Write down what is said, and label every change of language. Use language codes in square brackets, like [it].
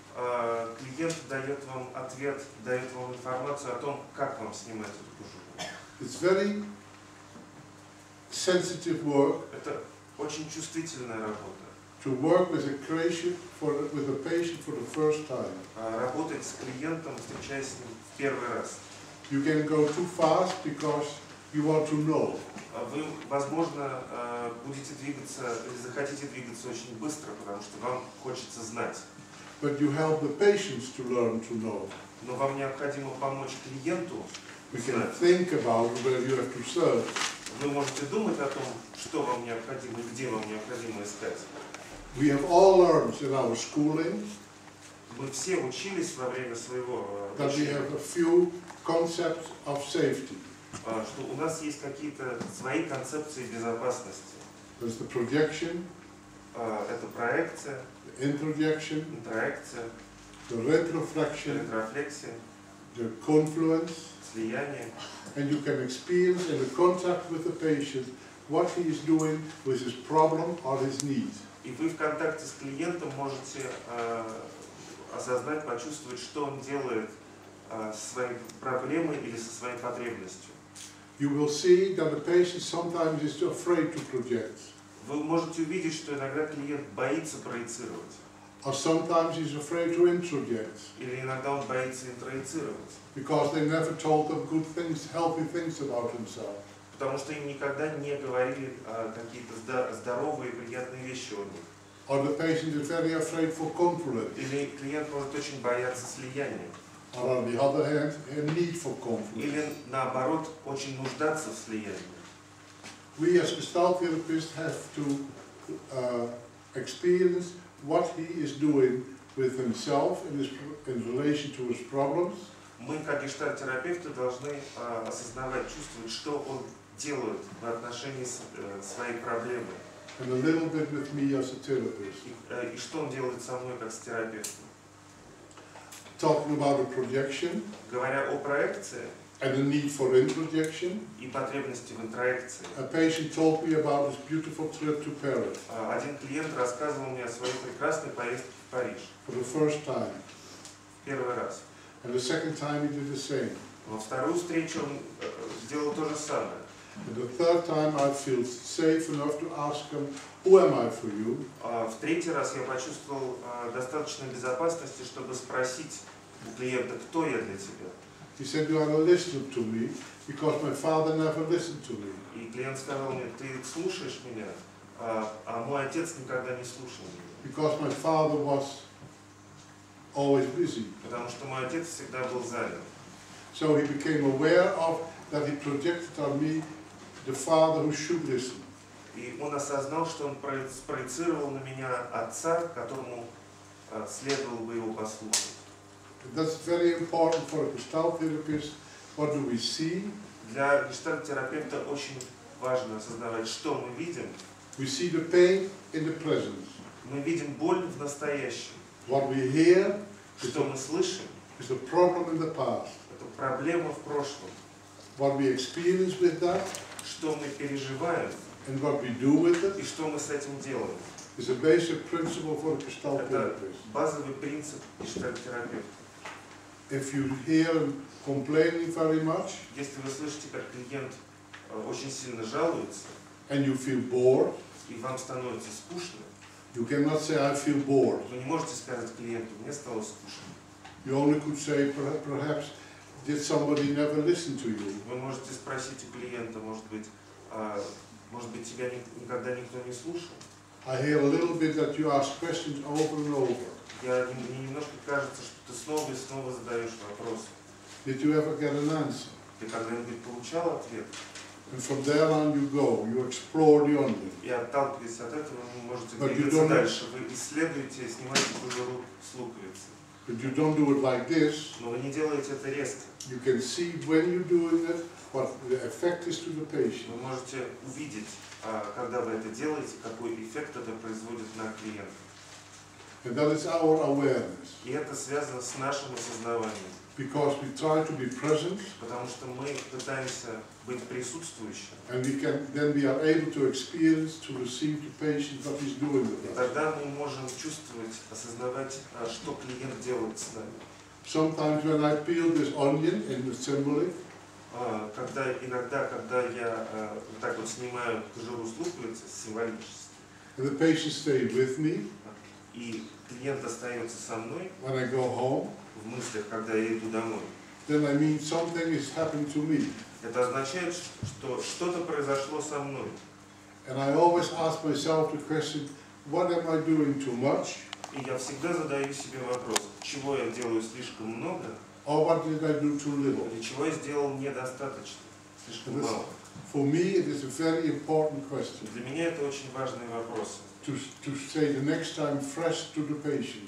[ru] Клиент дает вам ответ, дает вам информацию о том, как вам снимать эту кожуру. [en] It's very sensitive work. [ru] Это очень чувствительная работа. [en] To work with a patient for the first time. [ru] Работать с клиентом, встречаясь с ним в первый раз. [en] You can go too fast because you want to know. [ru] Вы, возможно, будете двигаться или захотите двигаться очень быстро, потому что вам хочется знать. [en] But you help the patients to learn to know. [ru] Но вам необходимо помочь клиенту. [en] We can think about where you have to search. [ru] Вы можете думать о том, что вам необходимо и где вам необходимо искать. [en] We have all learned in our schooling. [ru] Мы все учились во время своего. [en] That we have a few concepts of safety. [ru] Что у нас есть какие-то свои концепции безопасности. [en] There's the projection. [ru] Это проекция. [en] Introjection, [ru] интроекция, [en] the retroflexion, [ru] ретрофлексия, [en] the confluence, [ru] слияние, [en] and you can experience in the contact with the patient what he is doing with his problem or his needs. [ru] И вы в контакте с клиентом можете осознать, почувствовать, что он делает со своей проблемой или со своей потребностью. [en] You will see that the patient sometimes is too afraid to project. [ru] Вы можете увидеть, что иногда клиент боится проецировать. [en] Or sometimes he's afraid to introject. [ru] Или иногда он боится интроецировать. [en] Because they never told them good things, healthy things about himself. [ru] Потому что им никогда не говорили какие-то здоровые, приятные вещи о них. [en] Or the patient is very afraid for confluence. [ru] Или клиент может очень бояться слияния. [en] Or on the other hand, a need for confluence. [ru] Или наоборот, очень нуждаться в слиянии. [en] We as Gestalt therapists have to experience what he is doing with himself in relation to his problems. [ru] Мы как гештальт-терапевты должны осознавать, чувствовать, что он делает в отношении своей проблемы. [en] And a little bit with me as a therapist. [ru] И что он делает со мной как с терапевтом? [en] Talking about a projection. [ru] Говоря о проекции. [en] And the need for introjection. [ru] И потребности в интроекции. [en] A patient told me about his beautiful trip to Paris. [ru] Один клиент рассказывал мне о своей прекрасной поездке в Париж. [en] For the first time. [ru] В первый раз. [en] And the second time he did the same. [ru] Во вторую встречу он сделал то же самое. [en] And the third time I feel safe enough to ask him, who am I for you? [ru] В третий раз я почувствовал достаточной безопасности, чтобы спросить у клиента, кто я для тебя. [en] He said, "You are listening to me because my father never listened to me." [ru] И клиент сказал мне, ты слушаешь меня, а мой отец никогда не слушал меня. [en] Because my father was always busy. [ru] Потому что мой отец всегда был занят. [en] So he became aware of that he projected on me the father who should listen. [ru] И он осознал, что он спроецировал на меня отца, которому следовало бы его послушать. [en] That's very important for a Gestalt therapist. What do we see? [ru] Для гештальт-терапевта очень важно осознавать, что мы видим. [en] We see the pain in the present. [ru] Мы видим боль в настоящем. [en] What we hear? [ru] Что мы слышим? [en] Is a problem in the past. [ru] Это проблема в прошлом. [en] What we experience with that? [ru] Что мы переживаем? [en] And what we do with it? [ru] И что мы с этим делаем? [en] Is a basic principle for a Gestalt therapist. [ru] Это базовый принцип гештальт-терапевта. [en] If you hear him complaining very much, [ru] если вы слышите, как клиент очень сильно жалуется, [en] and you feel bored, [ru] и вам становится скучно, [en] you cannot say I feel bored. [ru] Вы не можете сказать клиенту, мне стало скучно. [en] You only could say perhaps did somebody never listen to you. [ru] Вы можете спросить у клиента, может быть тебя никогда никто не слушал. [en] I hear a little bit that you ask questions over and over. [ru] Мне немножко кажется, что ты снова и снова задаешь вопросы. [en] Did you ever get an answer? [ru] Ты когда-нибудь получал ответ? [en] And from there on you go, you explore the unknown. [ru] И отталкиваясь от этого, вы можете двигаться дальше. Вы исследуете, снимаете кожуру с луковицы. [en] But you don't do it like this. [ru] Но вы не делаете это резко. [en] You can see when you're doing it, what the effect is to the patient. [ru] Вы можете увидеть, когда вы это делаете, какой эффект это производит на клиента. [en] And that is our awareness. [ru] И это связано с нашим осознаванием. [en] Because we try to be present. [ru] Потому что мы пытаемся быть присутствующим. [en] And we can, then we are able to experience, to receive the patient what he's doing with us. [ru] И тогда мы можем чувствовать, осознавать, что клиент делает с нами. [en] Sometimes when I peel this onion in the assembly. [ru] Когда иногда, когда я вот так вот снимаю кожуру с луковицы, символически. [en] And the patient stays with me. [ru] И клиент остается со мной. [en] When I go home, [ru] в мыслях, когда я иду домой. [en] Then I mean something is happening to me. [ru] Это означает, что что-то произошло со мной. [en] And I always ask myself the question, what am I doing too much? [ru] И я всегда задаю себе вопрос, чего я делаю слишком много? [en] Or what did I do too little? [ru] Или чего я сделал недостаточно, слишком мало? [en] For me, it is a very important question. [ru] Для меня это очень важный вопрос. [en] To say the next time fresh to the patient.